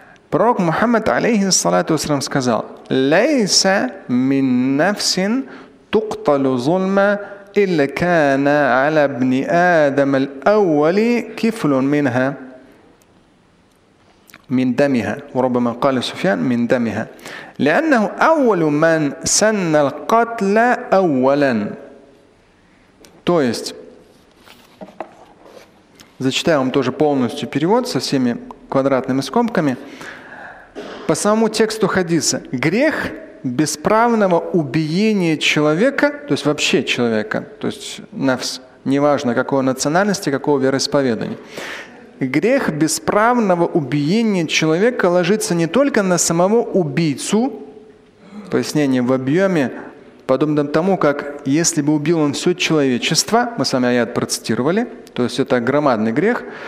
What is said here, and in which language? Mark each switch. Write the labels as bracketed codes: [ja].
[ru] Пророк Мухаммад, алейхи салату ассалям, сказал: [ar] «Лейса мин нафсин тукталю зульма илля кана аля бни адам ал-аввали кифлун минха». من دمها وربما قال سفيان من دمها لأنه أول من سن القتل أولا. [ru] То есть зачитаю вам тоже полностью перевод со всеми квадратными скобками. По самому тексту хадиса: грех бесправного убиения человека, то есть вообще человека, то есть нафс, неважно какой национальности, какого вероисповедания, грех бесправного убиения человека ложится не только на самого убийцу, пояснение в объеме, подобно тому, как если бы убил он все человечество, мы с вами аят процитировали, то есть это громадный грех.